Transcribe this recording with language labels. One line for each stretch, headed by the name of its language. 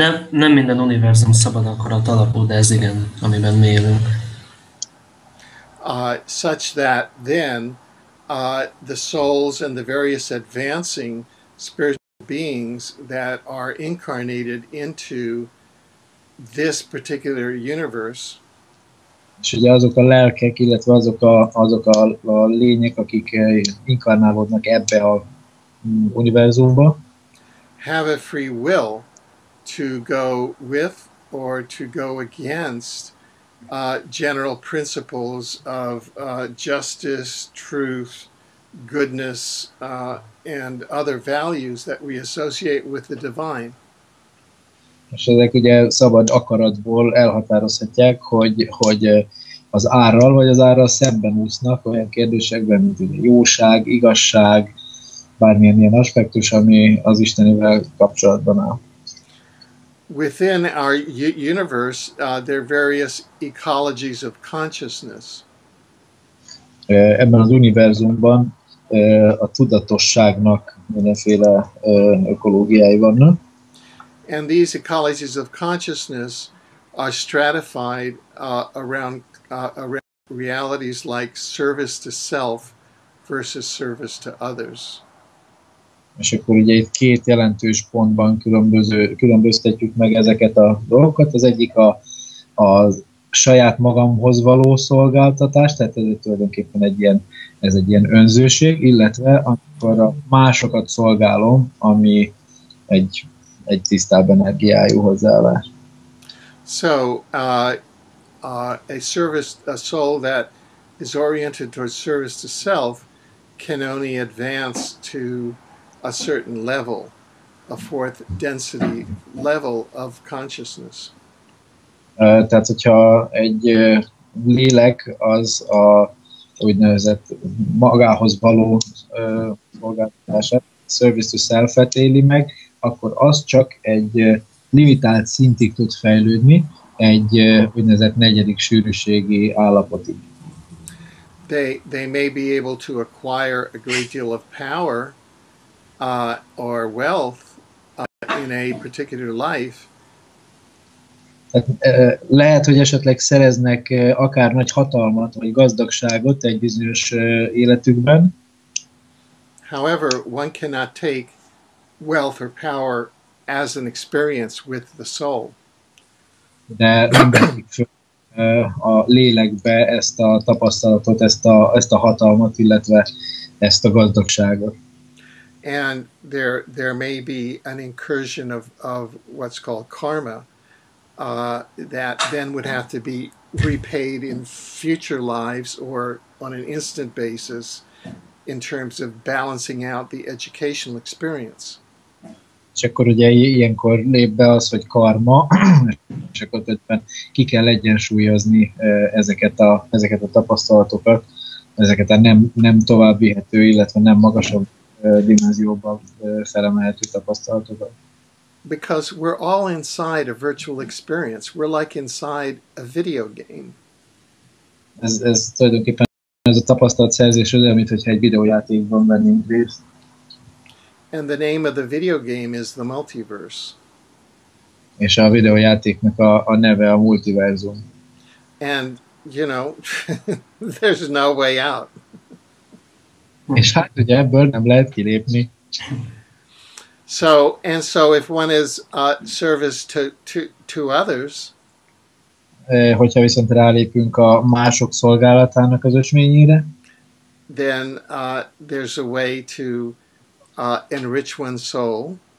Hungarian: Nem minden univerzum szabad akarat alapú, de ez igen, amiben mi élünk.
English: Such that then the souls and the various advancing spiritual beings that are incarnated into this particular universe.
Hungarian: És ugye azok a lelkek, illetve azok a, azok a lények, akik inkarnálódnak ebbe a univerzumba.
English: Have a free will to go with or to go against general principles of justice, truth, goodness, and other values that we associate with the divine.
Hungarian: És ezek ugye szabad akaratból elhatározhatják, hogy, hogy az árral vagy az árral szemben úsznak olyan kérdésekben, mint ugye jóság, igazság, bármilyen ilyen aspektus, ami az Istenivel kapcsolatban áll.
English: Within our universe, there are various ecologies of consciousness.
Hungarian: Ebben az univerzumban a tudatosságnak mindenféle ökológiái vannak.
English: And these ecologies of consciousness are stratified around realities like service to self versus service to others.
Hungarian: És akkor ugye itt két jelentős pontban különböztetjük meg ezeket a dolgokat. Az egyik a saját magamhoz való szolgáltatás, tehát ez tulajdonképpen egy ilyen, ez egy ilyen önzőség, illetve amikor a másokat szolgálom, ami egy tisztább energiájú hozzáállás.
English: So, a service, a soul that is oriented towards service to self can only advance to a certain level, a fourth density level of consciousness.
Hungarian: Tehát, hogyha egy lélek az a úgynevezett magához való szolgáltatását, service to self-et éli meg, akkor az csak egy limitált szintig tud fejlődni, egy úgynevezett negyedik sűrűségi állapotig.
English: They may be able to acquire a great deal of power or wealth in a particular life.
Hungarian: Tehát, lehet, hogy esetleg szereznek akár nagy hatalmat vagy gazdagságot egy bizonyos életükben.
English: However, one cannot take wealth or power as an experience with the soul.
Hungarian: De nem vehetik föl a lélekbe ezt a tapasztalatot, ezt a hatalmat, illetve ezt a gazdagságot.
English: And there may be an incursion of what's called karma that then would have to be repaid in future lives or on an instant basis in terms of balancing out the educational experience.
Hungarian: És akkor ugye ilyenkor lép be az, hogy karma, és akkor többen ki kell egyensúlyozni ezeket a tapasztalatokat, ezeket a nem továbbvihető, illetve nem magasabb dimenzióban felemelhető tapasztalatokat.
English: Because we're all inside a virtual experience. We're like inside a video game.
Hungarian: Ez tulajdonképpen ez a tapasztalatszerzés, amit, hogyha egy videójátékban vennénk részt.
English: And the name of the video game is the multiverse.
Hungarian: És a videójátéknak a neve a multiverzum.
English: And you know, there's no way out.
Hungarian: És hát ugye ebből nem lehet kilépni.
English: So if one is service to others,
Hungarian: hogyha viszont rálépünk a mások szolgálatának az ösvényére,
English: then there's a way to enrich one's soul.